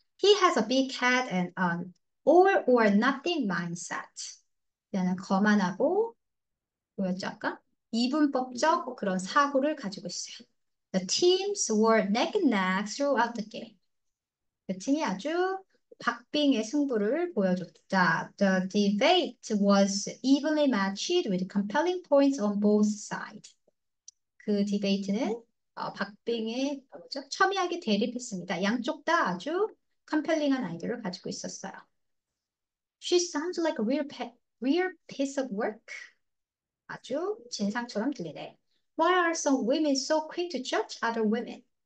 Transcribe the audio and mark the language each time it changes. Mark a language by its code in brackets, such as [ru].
[en] He has a big head and all or nothing mindset. [ko] 그는 거만하고 뭐였죠 아까? 이분법적 그런 사고를 가지고 있어요. [en] The teams were neck and neck throughout the game. [ko] 그 팀이 아주 박빙의 승부를 보여줬다. [en] The debate was evenly matched with compelling points on both sides. [ko] 그 디베이트는 박빙의 뭐죠? 첨예하게 대립했습니다. 양쪽 다 아주 컴펠링한 아이디어를 가지고 있었어요. [en] She sounds like a real piece of work. [ko] 아주 진상처럼 들리네. [en] Why are some women so quick to judge other women?